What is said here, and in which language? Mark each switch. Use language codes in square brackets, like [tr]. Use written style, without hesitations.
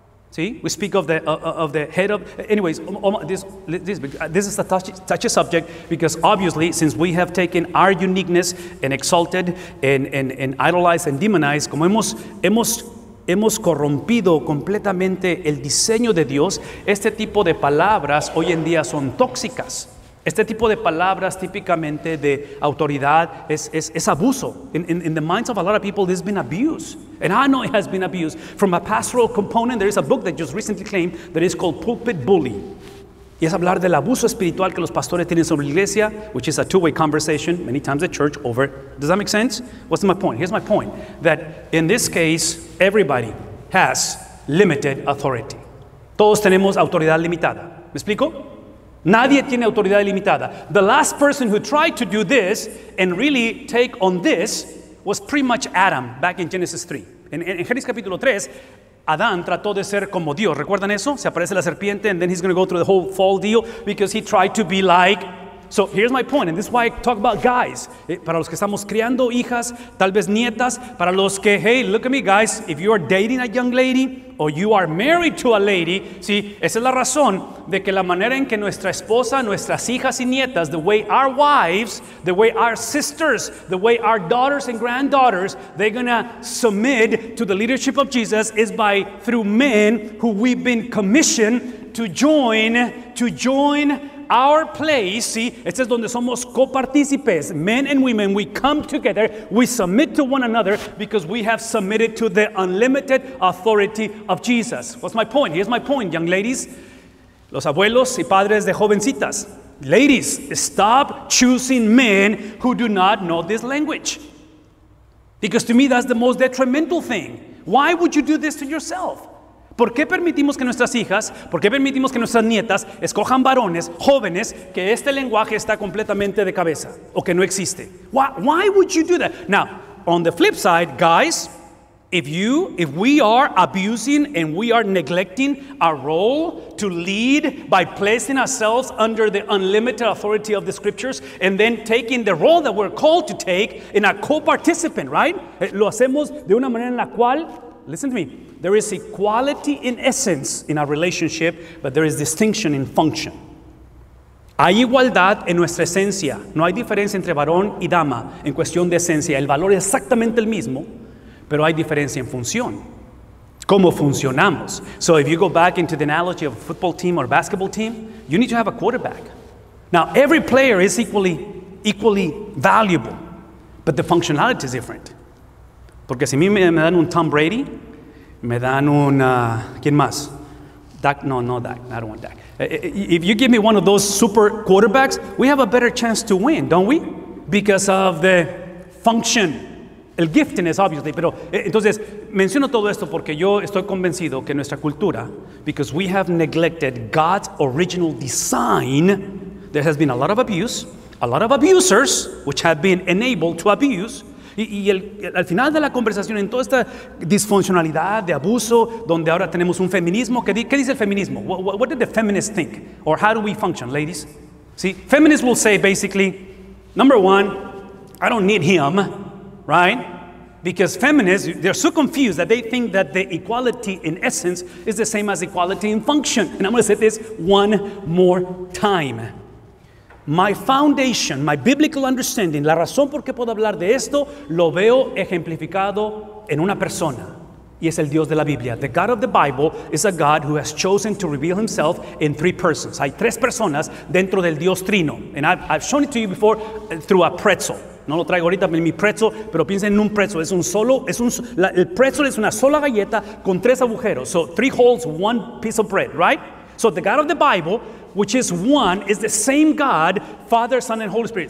[en] See, we speak of the head of, anyways, this is a touchy subject, because obviously, since we have taken our uniqueness and exalted and idolized and demonized, [es] como hemos corrompido completamente el diseño de Dios, este tipo de palabras hoy en día son tóxicas. Este tipo de palabras típicamente de autoridad es abuso. [en] In the minds of a lot of people, there's been abuse. And I know it has been abused. From a pastoral component, there is a book that just recently claimed that is called Pulpit Bully. [es] Y es hablar del abuso espiritual que los pastores tienen sobre la iglesia, [en] which is a two-way conversation, many times at church, over. Does that make sense? What's my point? Here's my point. That in this case, everybody has limited authority. [es] Todos tenemos autoridad limitada. ¿Me explico? Nadie tiene autoridad limitada. [en] The last person who tried to do this and really take on this was pretty much Adam back in Genesis 3. [es] En Génesis capítulo 3, Adán trató de ser como Dios. ¿Recuerdan eso? Se aparece la serpiente [en] and then he's going to go through the whole fall deal because he tried to be like. So here's my point, and this is why I talk about guys. [es] Para los que estamos criando hijas, tal vez nietas, para los que, [en] hey, look at me, guys, if you are dating a young lady or you are married to a lady, see, [es] esa es la razón de que la manera en que nuestra esposa, nuestras hijas y nietas, [en] the way our wives, the way our sisters, the way our daughters and granddaughters, they're going to submit to the leadership of Jesus is by through men who we've been commissioned to join our place, see, [es] este es donde somos copartícipes, [en] men and women, we come together, we submit to one another because we have submitted to the unlimited authority of Jesus. What's my point? Here's my point, young ladies, [es] los abuelos y padres de jovencitas. [en] Ladies, stop choosing men who do not know this language. Because to me, that's the most detrimental thing. Why would you do this to yourself? [es] ¿Por qué permitimos que nuestras hijas, por qué permitimos que nuestras nietas escojan varones, jóvenes, que este lenguaje está completamente de cabeza o que no existe? [en] Why would you do that? Now, on the flip side, guys, if we are abusing and we are neglecting our role to lead by placing ourselves under the unlimited authority of the scriptures and then taking the role that we're called to take in a co-participant, right? [es] Lo hacemos de una manera en la cual, [en] listen to me, there is equality in essence in our relationship, but there is distinction in function. [es] Hay igualdad en nuestra esencia. No hay diferencia entre varón y dama en cuestión de esencia. El valor es exactamente el mismo, pero hay diferencia en función. ¿Cómo funcionamos? [en] So if you go back into the analogy of a football team or a basketball team, you need to have a quarterback. Now, every player is equally valuable, but the functionality is different. [es] Porque si a mí me dan un Tom Brady, me dan un, ¿quién más? [en] Dak, no Dak, I don't want Dak. If you give me one of those super quarterbacks, we have a better chance to win, don't we? Because of the function, el giftiness, obviously. [es] Pero entonces, menciono todo esto porque yo estoy convencido que nuestra cultura, [en] because we have neglected God's original design, there has been a lot of abuse, a lot of abusers, which have been enabled to abuse. [es] Y al final de la conversación, en toda esta disfuncionalidad de abuso, donde ahora tenemos un feminismo, ¿qué dice el feminismo? [en] What did the feminists think? Or how do we function, ladies? See, feminists will say basically, number one, I don't need him, right? Because feminists, they're so confused that they think that the equality in essence is the same as equality in function. And I'm going to say this one more time. My foundation, my biblical understanding, [es] la razón por qué puedo hablar de esto, lo veo ejemplificado en una persona, y es el Dios de la Biblia. [en] The God of the Bible is a God who has chosen to reveal himself in three persons. [es] Hay tres personas dentro del Dios trino. [en] And I've shown it to you before through a pretzel. [es] No lo traigo ahorita en mi pretzel, pero piensen en un pretzel. El pretzel es una sola galleta con tres agujeros. [en] So three holes, one piece of bread, right? So the God of the Bible, which is one, is the same God, Father, Son, and Holy Spirit.